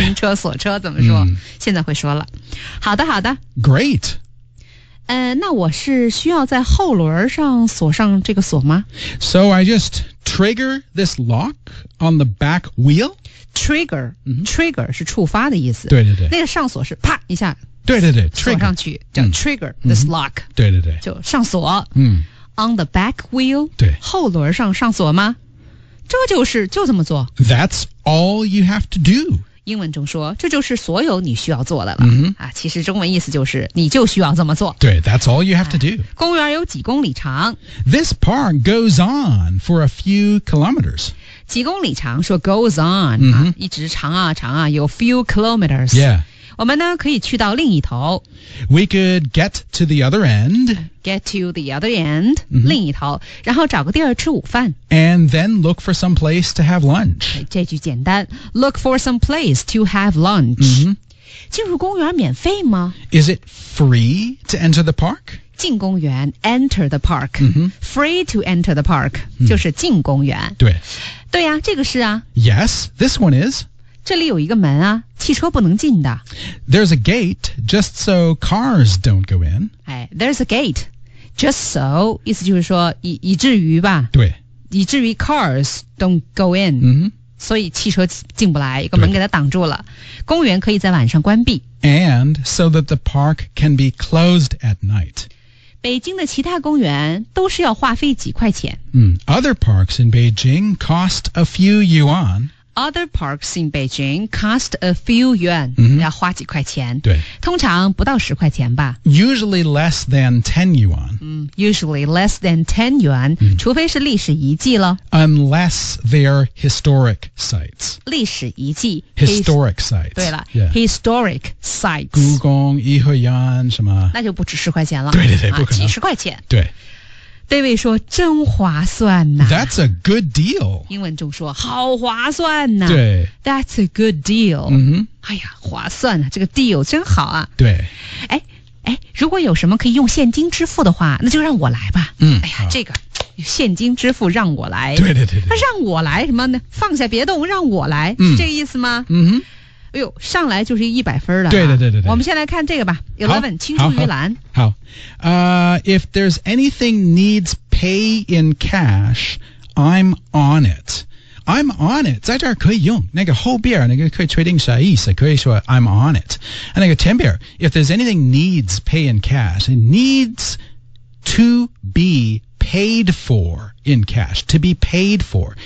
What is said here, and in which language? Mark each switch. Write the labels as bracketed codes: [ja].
[zh] 停车锁车怎么说、现在会说了好的好的 [en] great [zh] 那我是需要在后轮上锁上这个锁吗 [en] ？So I just trigger this lock on the back wheel. [zh] Trigger, trigger 是触发的意思。对对对。那个上锁是啪一下对对对 trigger, 锁上去叫 [en] trigger this lock [zh] 对对对就上锁 [en] on the back wheel [zh] 对后轮上上锁吗这就是就这么做 [en] That's all you have to do [zh] 英文中说这就是所有你需要做的了、啊、其实中文意思就是你就需要这么做 [en] 对 That's all you have to do [zh] 公园有几公里长 [en] This park goes on for a few kilometers [zh] 几公里长说 [en] goes on、 [zh] 一直长啊长啊有 [en] few kilometers、 yeah. [zh] 我们呢可以去到另一头 [en] We could get to the other end Get to the other end、 [zh] 另一头然后找个地儿吃午饭 [en] And then look for some place to have lunch [zh] 这句简单 [en] Look for some place to have lunch、 [zh] 进入公园免费吗 [en] Is it free to enter the park? [zh] 进公园 [en] enter the park、free to enter the park、 [zh] 就是进公园对对啊这个是啊 [en] yes this one is [zh] 这里有一个门啊汽车不能进的 [en] there's a gate just so cars don't go in、 there's a gate just so [zh] 意思就是说 以至于吧对以至于 [en] cars don't go in、 [zh] 所以汽车进不来一个门给它挡住了公园可以在晚上关闭 [en] and so that the park can be closed at night [zh] 北京的其他公园都是要花费几块钱。 [en] Other parks in Beijing cost a few yuan. Other parks in Beijing cost a few yuan,、 [zh] 要花几块钱。对。通常不到十块钱吧。 [en] Usually less than 10 yuan.、 usually less than 10 yuan,、 [zh] 除非是历史遗迹了。 [en] Unless they're historic sites. [zh] 历史遗迹。 [en] Historic sites. [zh] 对了、 [en] yeah. ,historic sites. [zh] 故宫、颐和园什么。那就不止十块钱了。对对对、不可能。几十块钱。对。 David 说真划算呐、 [en] That's a good deal. [zh] 英文中说好划算呐、对。 [en] That's a good deal.、 [zh] 哎呀划算啊这个 deal 真好啊。对。哎如果有什么可以用现金支付的话那就让我来吧。哎呀这个现金支付让我来。对对对对。那让我来什么呢放下别动让我来、是这个意思吗哎呦上来就是一百分了、对对对对对。我们先来看这个吧 ,11, 青出于蓝。好。 [en] If there's anything needs pay in cash, I'm on it. I'm on it, [zh] 在这儿可以用。那个后边那个可以确定啥意思可以说 I'm on it。 [en] 那个前边 if there's anything needs pay in cash, it needs to be paid for in cash, to be paid for.